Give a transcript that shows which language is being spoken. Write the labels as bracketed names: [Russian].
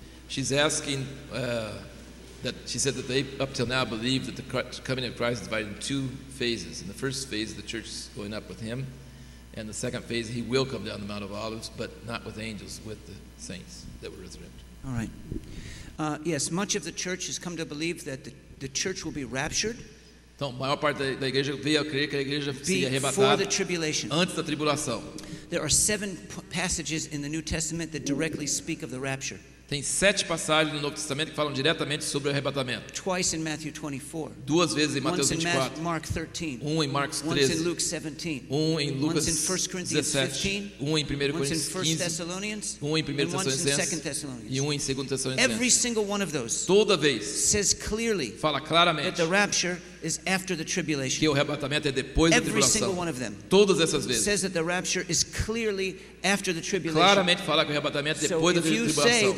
[English] She's asking that she said that they up till now believe that the coming of Christ is divided in two phases. In the first phase, the church is going up with him. And the second phase, he will come down the Mount of Olives, but not with angels, with the saints that were resurrected. All right. Yes, much of the church has come to believe that the church will be raptured. [Portuguese] Então, a maior parte da igreja veio a crer que a igreja seria arrebatada antes da tribulação. [English] There are seven passages in the New Testament that directly speak of the rapture. [Portuguese] Tem sete passagens no Novo Testamento que falam diretamente sobre o arrebatamento. [English] Twice in Matthew 24. [Portuguese] Duas vezes em Mateus 24. [English] Once in Mark 13. [Portuguese] Um em Marcos 13. [English] Once in Luke 17. [Portuguese] Um em Lucas 17. Um em 1 Coríntios 15. [English] Once in 1 Thessalonians. [Portuguese] Um em 1 Tessalonicenses. [English] Once in 2 Thessalonians. [Portuguese] E um em 2 Tessalonicenses. [English] Every single one of those. [Portuguese] Toda vez. [English] Says clearly. [Portuguese] Fala claramente. [English] That the rapture is after the tribulation. [Portuguese] Que o arrebatamento é depois da tribulação. [English] Every single one of them. [Portuguese] Todas essas vezes. [English] Says that the rapture is clearly after the tribulation. [Portuguese] Claramente fala que o arrebatamento é depois da tribulação.